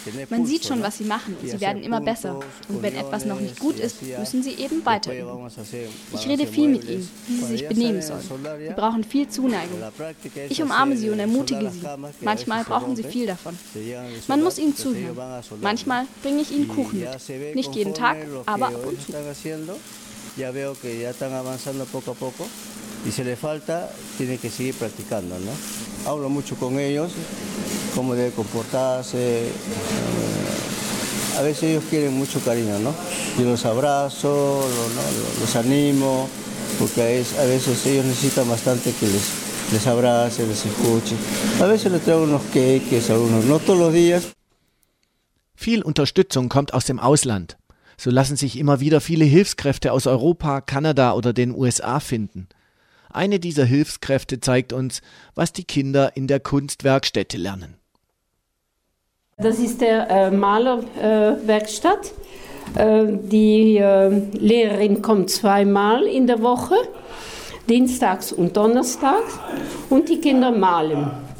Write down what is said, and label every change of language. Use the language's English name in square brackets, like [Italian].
[German] Man sieht schon, was sie machen, und sie werden immer besser. Und wenn etwas noch nicht gut ist, müssen sie eben weiter üben. Ich rede viel mit ihnen, wie sie sich benehmen sollen. Sie brauchen viel Zuneigung. Ich umarme sie und ermutige sie. Manchmal brauchen sie viel davon. Man muss ihnen zuhören. Manchmal bringe ich ihnen Kuchen mit. Nicht jeden Tag, aber ab und zu. [Spanish] Ya veo que ya están avanzando poco a poco y si le falta, tiene que seguir practicando, ¿no? Hablo mucho con ellos, cómo debe comportarse. A veces ellos quieren mucho cariño, ¿no? Yo los abrazo, los animo, porque a veces ellos necesitan bastante que les abrace, les escuche. A veces les traigo unos cakes, algunos, no todos los días. [German] Viel Unterstützung kommt aus dem Ausland. So lassen sich immer wieder viele Hilfskräfte aus Europa, Kanada oder den USA finden. Eine dieser Hilfskräfte zeigt uns, was die Kinder in der Kunstwerkstätte lernen. Das ist der Malerwerkstatt. Lehrerin kommt zweimal in der Woche, dienstags und donnerstags, und die Kinder malen.